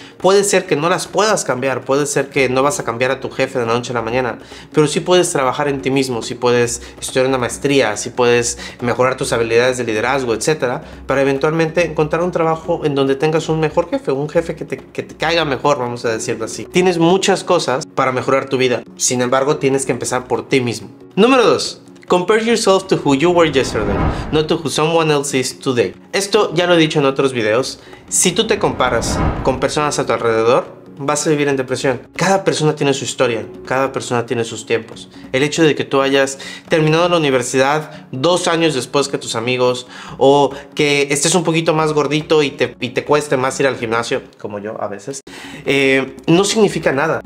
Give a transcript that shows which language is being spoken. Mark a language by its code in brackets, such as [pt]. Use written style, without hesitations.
[es] Puede ser que no las puedas cambiar, puede ser que no vas a cambiar a tu jefe de la noche a la mañana, pero sí puedes trabajar en ti mismo, sí puedes estudiar una maestría, sí puedes mejorar tus habilidades de liderazgo, etcétera, para eventualmente encontrar un trabajo en donde tengas un mejor jefe, un jefe que te caiga mejor, vamos a decirlo así. Tienes muchas cosas para mejorar tu vida, sin embargo, tienes que empezar por ti mismo. Número 2. [en] Compare yourself to who you were yesterday, not to who someone else is today. [es] Esto ya lo he dicho en otros videos. Si tú te comparas con personas a tu alrededor, vas a vivir en depresión. Cada persona tiene su historia, cada persona tiene sus tiempos. El hecho de que tú hayas terminado la universidad 2 años después que tus amigos, o que estés un poquito más gordito y te cueste más ir al gimnasio, como yo a veces, no significa nada.